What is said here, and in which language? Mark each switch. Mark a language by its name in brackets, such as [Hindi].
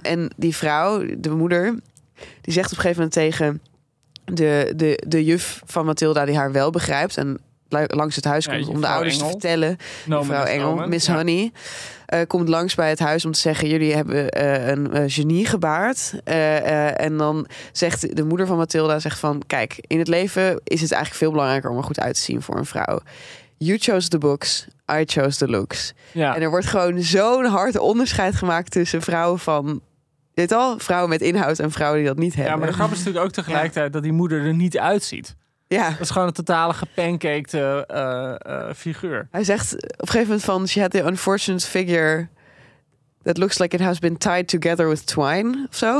[Dutch] En die vrouw, de moeder, die zegt op een gegeven moment tegen de juf van Mathilda, die haar wel begrijpt en langs het huis komt om de ouders Engel te vertellen. Mevrouw Engel, Miss Honey. Ja. Komt langs bij het huis om te zeggen, jullie hebben een genie gebaard. En dan zegt de moeder van Mathilda, zegt van, kijk, in het leven is het eigenlijk veel belangrijker om er goed uit te zien voor een vrouw. [English] You chose the books, I chose the looks. [Dutch] Ja. En er wordt gewoon zo'n hard onderscheid gemaakt tussen vrouwen van, weet al, vrouwen met inhoud en vrouwen die dat niet hebben. Ja, maar de grap is natuurlijk ook tegelijkertijd dat die moeder er niet uitziet. Ja. Dat is gewoon een totale gepancakte figuur. Hij zegt op een gegeven moment van, [English] she had the unfortunate figure that looks like it has been tied together with twine. [Dutch] Of zo.